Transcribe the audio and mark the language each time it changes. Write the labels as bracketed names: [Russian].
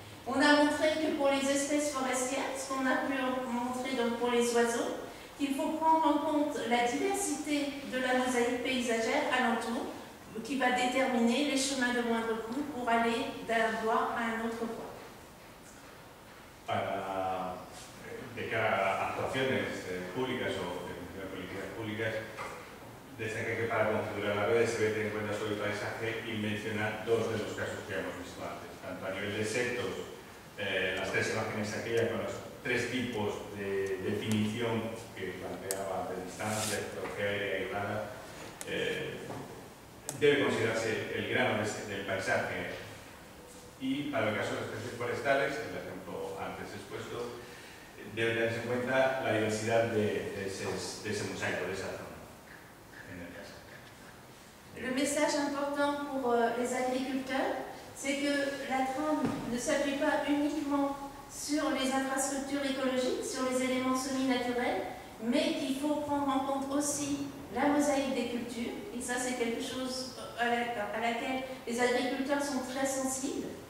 [French] On a montré que pour les espèces forestières, ce qu'on a pu montrer donc pour les oiseaux, qu'il faut prendre en compte la diversité de la mosaïque paysagère alentour, qui va déterminer les chemins de moindre coût pour aller d'un bois à un autre bois. [Spanish] Para de cara a actuaciones públicas o de políticas públicas, destaca que para configurar la red se debe tener en cuenta sobre el paisaje y mencionar dos de los casos que hemos visto antes. Tanto a nivel de setos, las tres imágenes aquellas con los tres tipos de definición que planteaba de distancia, geografía aérea y radar, debe considerarse el grano del paisaje. Y para el caso de las especies forestales, el ejemplo antes expuesto, debe tenerse en cuenta la diversidad de ese mosaico, de esa zona, en el caso. [French] Le message important pour les agriculteurs, c'est que la trame ne s'appuie pas uniquement sur les infrastructures écologiques, sur les éléments semi-naturels, mais qu'il faut prendre en compte aussi la mosaïque des cultures, et ça c'est quelque chose à laquelle les agriculteurs sont très sensibles,